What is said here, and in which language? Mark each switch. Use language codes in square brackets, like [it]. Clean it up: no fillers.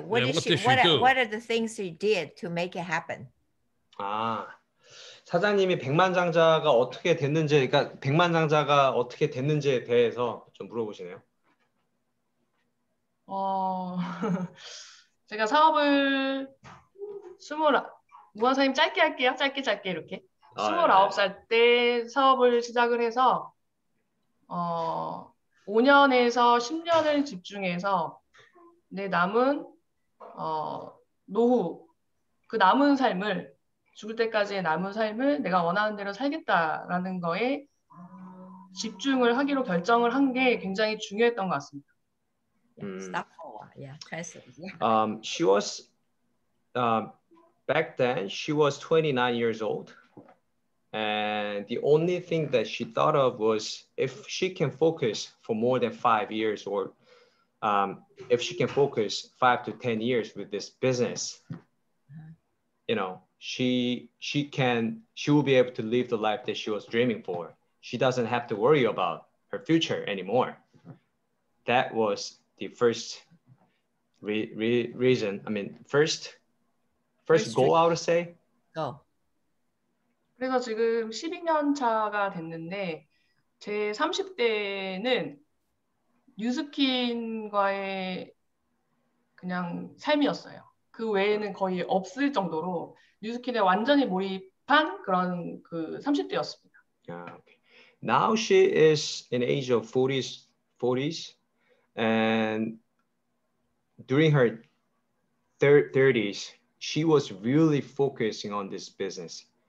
[en] What are the things she did to make it happen? 아. [ko] 사장님이 백만장자가 어떻게 됐는지, 그러니까 백만장자가 어떻게 됐는지에 대해서 좀 물어보시네요. 어, 제가 사업을 무한사님 짧게 할게요. 짧게 이렇게. 29살 때 사업을 시작을 해서 어, 5년에서 10년을 집중해서 내 남은 어, 노후, 그 남은 삶을 죽을 때까지의 남은 삶을 내가 원하는 대로 살겠다라는 거에 집중을 하기로 결정을 한 게 굉장히 중요했던 것 같습니다. [en] Stop for a while. Yeah, try so. She was back then she was 29 years old and the only thing that she thought of was if she can focus for more than 5 years or if she can focus 5 to 10 years with this business. You know, she will be able to live the life that she was dreaming for. She doesn't have to worry about her future anymore. That was the first reason. I mean, first goal, I would say. Go. [ko] 그래서 지금 12년 차가 됐는데 제 30대는 뉴스킨과의 그냥 삶이었어요. 그 외에는 거의 없을 정도로 뉴스킨에 완전히 몰입한 그런 그 30대였습니다. [en] Okay. Now she is in age of 40s and during her 30s she was really focusing on this business.